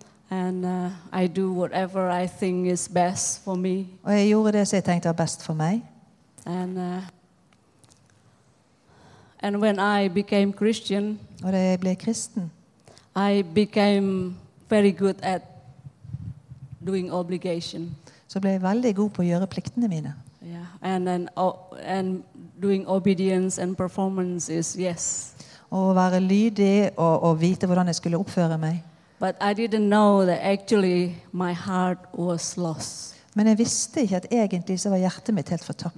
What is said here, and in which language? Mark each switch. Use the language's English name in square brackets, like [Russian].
[English] And I do whatever I think is best for me. [Norwegian] Og jeg gjorde det jeg tenkte var best for meg. [English] And when I became Christian, [Norwegian] og da jeg ble kristen, [English] I became very good at doing obligation. [Norwegian] Så ble jeg veldig god på å gjøre pliktene mine. [English] Yeah, and doing obedience and performance is yes. [Norwegian] Og være lydig og vite hvordan jeg skulle oppføre meg. [English] But I didn't know that actually my heart was lost. [Norwegian] Men jeg visste ikke at egentlig så var hjertet mitt helt fortapt.